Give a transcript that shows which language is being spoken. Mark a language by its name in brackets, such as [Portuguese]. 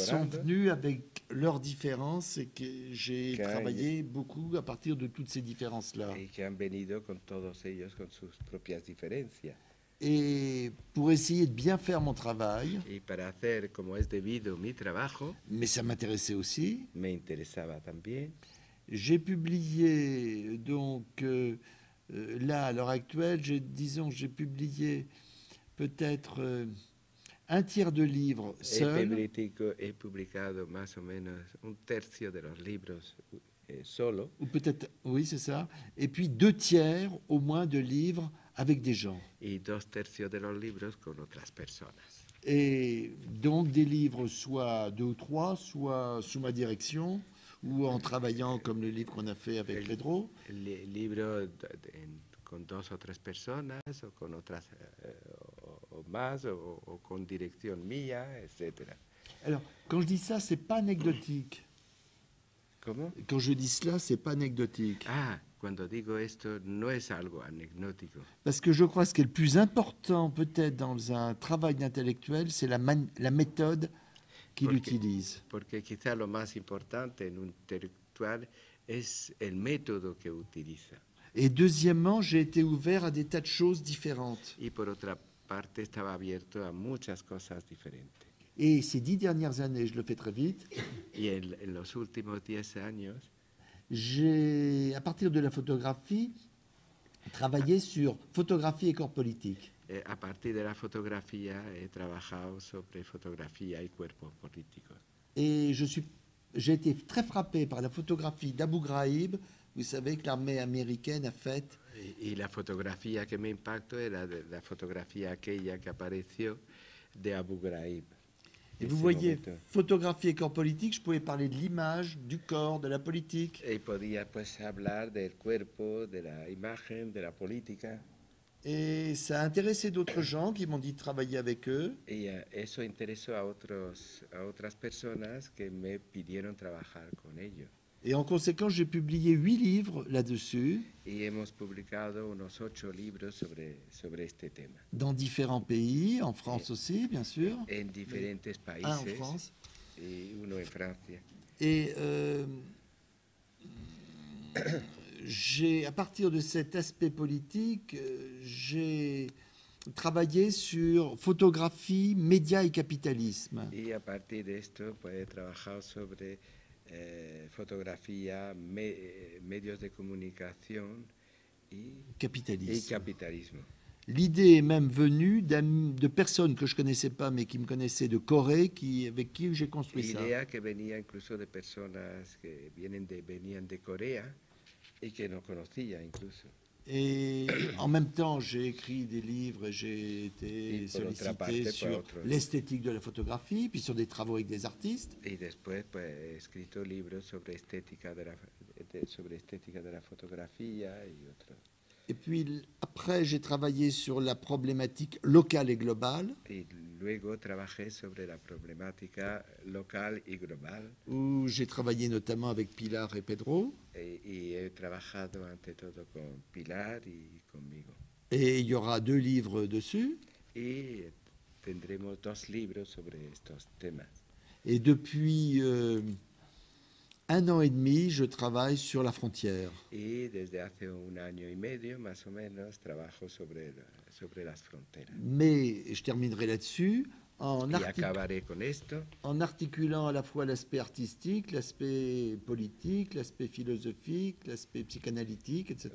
[French] Qui sont venus avec leurs différences et que j'ai travaillé beaucoup à partir de toutes ces différences-là. [Spanish] Y que han venido con todos ellos con sus propias diferencias. [French] Et pour essayer de bien faire mon travail. [Spanish] Y para hacer como es debido mi trabajo. [French] Mais ça m'intéressait aussi. [Spanish] Me interesaba también. [French] J'ai publié, donc, là, à l'heure actuelle, j'ai publié peut-être un tiers de livres seul. [Spanish] He publicado más o menos un tercio de los libros solo. [French] Ou peut-être, oui, c'est ça. Et puis deux tiers, au moins, de livres avec des gens. [Spanish] Y dos tercios de los libros con otras personas. [French] Et donc, des livres, soit deux ou trois, soit sous ma direction... ou en travaillant comme le livre qu'on a fait avec Pedro. [Spanish] Le libro con dos o tres personas o con otras o más o con dirección mía, etc. [French] Alors, quand je dis ça, c'est pas anecdotique. Comment? Quand je dis cela, c'est pas anecdotique. [Spanish] Ah, cuando digo esto no es algo anecdótico. [French] Parce que je crois que ce qui est le plus important peut-être dans un travail intellectuel, c'est la méthode qu'il utilise. [Spanish] Porque quizá lo más importante en un intelectual es el método que utiliza. [French] Et deuxièmement, j'ai été ouvert à des tas de choses différentes. [Spanish] Y por otra parte estaba abierto a muchas cosas diferentes. [French] Et ces 10 dernières années, je le fais très vite. [Spanish] Y en los últimos 10 años, [French] j'ai, à partir de la photographie, travaillé sur photographie et corps politique. [Spanish] A partir de la fotografía he trabajado sobre fotografía y cuerpos políticos. [French] Et j'ai été très frappé par la photographie d'Abu Ghraib, vous savez que l'armée américaine a faite. [Spanish] Y la fotografía que me impactó era la fotografía aquella que apareció de Abu Ghraib. [French] Et vous voyez, photographie et corps politique, je pouvais parler de l'image, du corps, de la politique. [Spanish] Y podía pues hablar del cuerpo, de la imagen, de la política. [French] Et ça a intéressé d'autres gens qui m'ont dit de travailler avec eux. [Spanish] Y eso interesó a otras personas que me pidieron trabajar con ellos. [French] Et en conséquence, j'ai publié 8 livres là-dessus. [Spanish] Y hemos publicado unos 8 libros sobre este tema. [French] Dans différents pays, en France aussi, bien sûr. En diferentes países. Un en France. [Spanish] Et uno en Francia. [French] Et j'ai, à partir de cet aspect politique, j'ai travaillé sur photographie, médias et capitalisme. [Spanish] Y a partir de esto, pues, he trabajado sobre fotografía, medios de comunicación y capitalismo. [French] L'idée est même venue de personnes que je connaissais pas, mais qui me connaissaient de Corée, avec qui j'ai construit ça. L'idée [Spanish] que venía incluso de personas que venían de Corea. Et que no conocía incluso. [French] Et en même temps, j'ai écrit des livres et j'ai été sollicité sur l'esthétique de la photographie, puis sur des travaux avec des artistes. [Spanish] Y después, pues, he escrito libros sobre estética de la fotografía y otros. [French] Et puis après, j'ai travaillé sur la problématique locale et globale. [Spanish] Y luego trabajé sobre la problemática local y global. [French] Où j'ai travaillé notamment avec Pilar et Pedro. [Spanish] Y he trabajado ante todo con Pilar y conmigo. [French] Et il y aura 2 livres dessus. [Spanish] Y tendremos 2 libros sobre estos temas. [French] Et depuis un an et demi, je travaille sur la frontière. [Spanish] Y desde hace un año y medio, más o menos, trabajo sobre sobre las fronteras. [French] Mais je terminerai là-dessus en, en articulant à la fois l'aspect artistique, l'aspect politique, l'aspect philosophique, l'aspect psychanalytique, etc.